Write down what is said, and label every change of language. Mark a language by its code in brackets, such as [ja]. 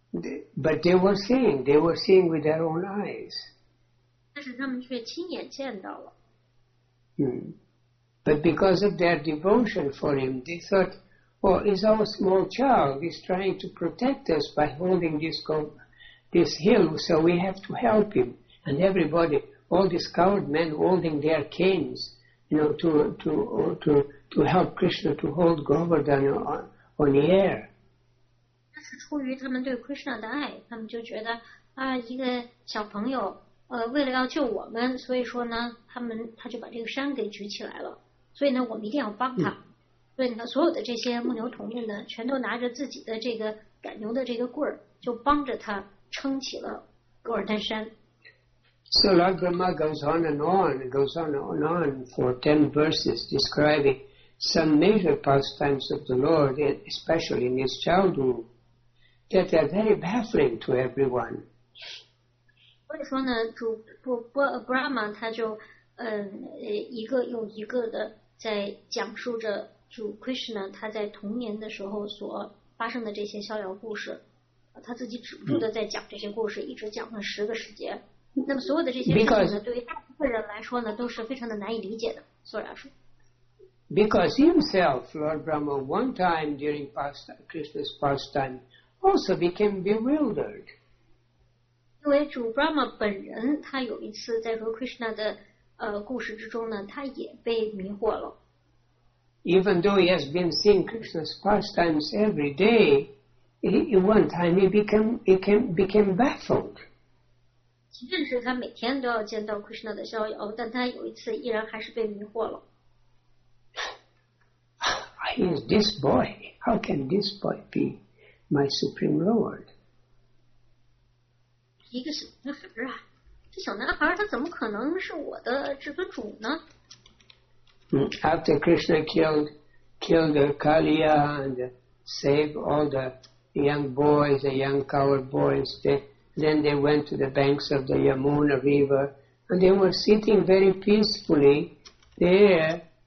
[en] So they were seeing with their own eyes. [zh] 但是他们却亲眼见到了。 [en] But because of their devotion for him, they thought, "Oh, he's our small child. He's trying to protect us by holding this hill, so we have to help him." And everybody, all these coward men holding their canes, you know, to help Krishna to hold Govardhana on the air. [zh] 那是出于他们对 Krishna 的爱，他们就觉得啊，一个小朋友，为了要救我们，所以说呢，他就把这个山给举起来了。所以呢，我们一定要帮他。所以呢，所有的这些牧牛童们呢，全都拿着自己的这个赶牛的这个棍儿，就帮着他撑起了高尔丹山。 [en] So Lord Brahma goes on and on for 10 verses describing some major pastimes of the Lord, especially in his childhood, that are very baffling to everyone. [zh] 所以说呢，Brahma 他就一个又一个的在讲述着主 Krishna 他在童年的时候所发生的这些逍遥故事，他自己止不住的在讲这些故事，一直讲了十个时节。那么所有的这些事情呢，对于大部分人来说呢，都是非常的难以理解的。所以说 [en] ，Because himself, Lord Brahma, one time during Krishna's pastime, also became bewildered. [zh] 因为主 Brahma 本人，他有一次在和 Krishna 的故事之中呢，他也被迷惑了。 [en] Even though he has been seeing Krishna's pastimes every day, in one time he became baffled. [zh] 甚至他每天都要见到 Krishna 的逍遥，但他有一次依然还是被迷惑了。 [en] He is this boy. How can this boy be my supreme lord? [zh] 一个小男孩啊，这小男孩他怎么可能是我的至尊主呢？ [en] After Krishna killed Kaliya and saved all the young boys, the young coward boys, then they went to the banks of the Yamuna River and they were sitting very peacefully there.